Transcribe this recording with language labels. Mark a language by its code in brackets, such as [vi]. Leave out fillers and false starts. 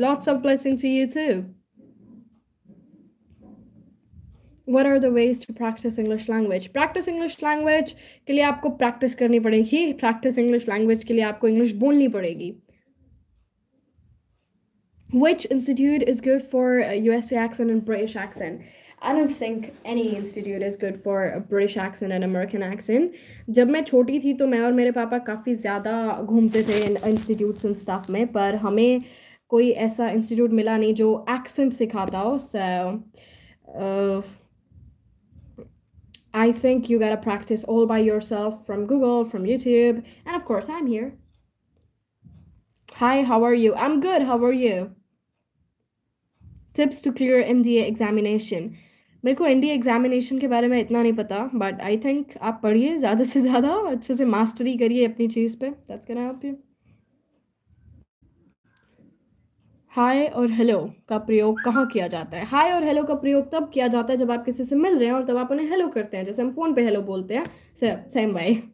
[en] Lots of blessing to you too. What are the ways to practice English language? [hi] Practice English language के लिए आपको practice करनी पड़ेगी. Practice English language के लिए आपको English बोलनी पड़ेगी. [en] Which institute is good for a USA accent and British accent? I don't think any institute is good for a British accent and American accent. [hi] जब मैं छोटी थी तो मैं और मेरे पापा काफ़ी ज़्यादा घूमते थे इन इंस्टीट्यूट्स एंड स्टाफ में, पर हमें कोई ऐसा इंस्टीट्यूट मिला नहीं जो एक्सेंट सिखाता हो। [en] So I think you get a practice all by yourself from Google, from YouTube and of course I am here. Hi, how are you? I am good, how are you? Tips to clear NDA examination. [hi] मेरे को NDA examination के बारे में इतना नहीं पता, but I think आप पढ़िए ज़्यादा से ज़्यादा, अच्छे से मास्टरी करिए अपनी चीज़ पे. [en] That's gonna help you. [hi] हाय और हेलो का प्रयोग कहाँ किया जाता है? हाय और हेलो का प्रयोग तब किया जाता है जब आप किसी से मिल रहे हैं और तब आप उन्हें हेलो करते हैं, जैसे हम फोन पे हेलो बोलते हैं. Same way.